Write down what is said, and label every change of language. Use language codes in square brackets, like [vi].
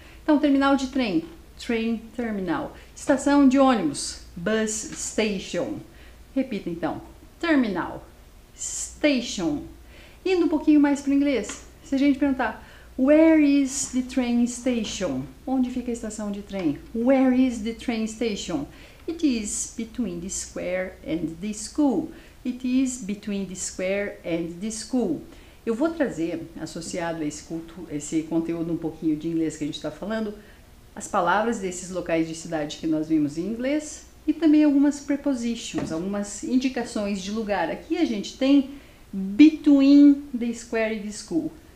[pt] Então, terminal de trem, train terminal. Estação de ônibus, bus station. Repita então, terminal, station. Indo um pouquinho mais para o inglês, se a gente perguntar, [en] where is the train station? [pt] Onde fica a estação de trem? [en] Where is the train station? It is between the square and the school. It is between the square and the school. [pt] Eu vou trazer, associado a esse culto, esse conteúdo um pouquinho de inglês que a gente está falando, as palavras desses locais de cidade que nós vimos em inglês e também algumas prepositions, algumas indicações de lugar. Aqui a gente tem [en] between the square and the school.